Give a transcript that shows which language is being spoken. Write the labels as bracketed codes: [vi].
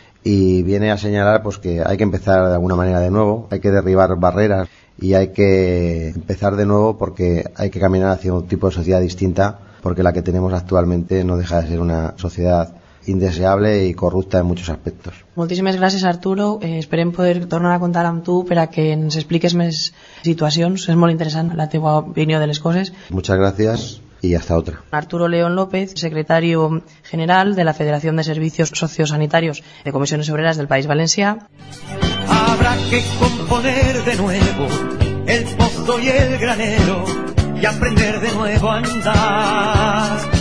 [es] Y viene a señalar pues que hay que empezar de alguna manera de nuevo, hay que derribar barreras y hay que empezar de nuevo porque hay que caminar hacia un tipo de sociedad distinta, porque la que tenemos actualmente no deja de ser una sociedad indeseable y corrupta en muchos aspectos. [ca] Moltíssimes gràcies, Arturo. Esperem poder tornar a contar amb tu per a que ens expliques més situacions. És molt interessant la teva opinió de les coses. [es] Muchas gracias y hasta otra. Arturo León López, secretario general de la Federación de Servicios Sociosanitarios de Comisiones Obreras del País Valencià. Habrá que componer de nuevo el pozo y el granero y aprender de nuevo a andar.